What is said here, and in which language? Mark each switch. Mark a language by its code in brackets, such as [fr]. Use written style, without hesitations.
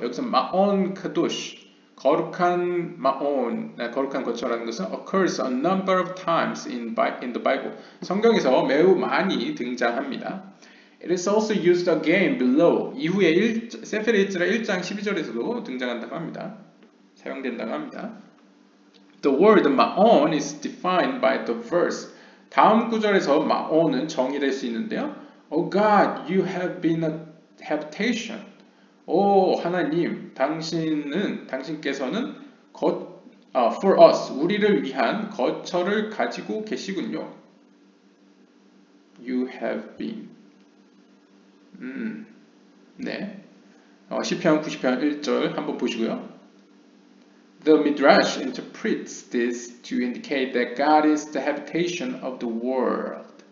[ko] 여기서 마온 카도시, 거룩한 마온, 거룩한 거처라는 것은 [en] occurs a number of times in the Bible. [ko] 성경에서 매우 많이 등장합니다. [en] It is also used again below. [ko] 이후에 세페르 이츠라 1장 12절에서도 등장한다고 합니다. 사용된다고 합니다. [en] The word ma'on is defined by the verse. [ko] 다음 구절에서 ma'on은 정의될 수 있는데요. [en] Oh God, you have been a habitation. [ko] 오 하나님, 당신께서는 [en] for us, [ko] 우리를 위한 거처를 가지고 계시군요. [en] You have been. [ko] 네. 시편 90편 1절 한번 보시고요. [en] The Midrash interprets this to indicate that God is the habitation of the world.